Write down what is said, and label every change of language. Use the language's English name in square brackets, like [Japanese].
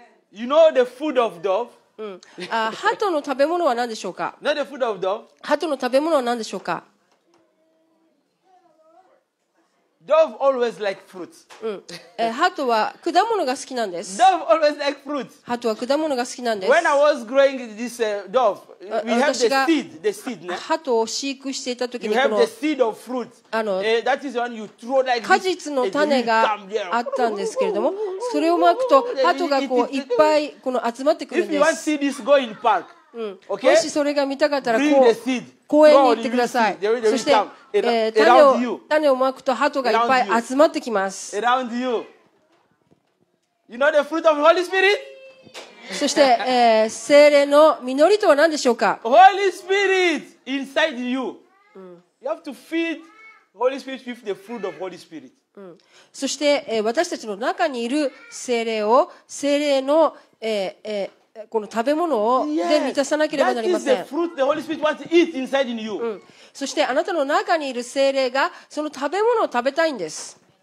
[English] You know the food of dove? [Japanese] ハトの食べ物は何でしょうか? [English] Not the food of dove? [Japanese] ハトの食べ物は何でしょうか? [English] Dove always like fruits. [Japanese] ハトは果物が好きなんです。 [English] Dove always like fruits. [Japanese] ハトは果物が好きなんです。 [English] When I was growing this dove, we have the seed, ね。 [Japanese] ハトを飼育していた時にこの。 [English] You have the seed of fruits. That is when you throw like this. [Japanese] 果実の種があったんですけれども。それをまくと鳩がこういっぱいこの集まってくるんです。 [English] This, okay? [Japanese] もしそれが見たかったらこう公園に行ってください。そして、種をまくと鳩がいっぱい集まってきます。 [English] You know the fruit of Holy Spirit? [Japanese] そして、聖霊の実りとは何でしょうか。 [English] Holy Spirit inside you. You have to feed Holy Spirit with the fruit of Holy Spirit. [Japanese] そして、私たちの中にいる聖霊を聖霊の、この食べ物をで満たさなければなりません。そしてあなたの中にいる聖霊がその食べ物を食べたいんです。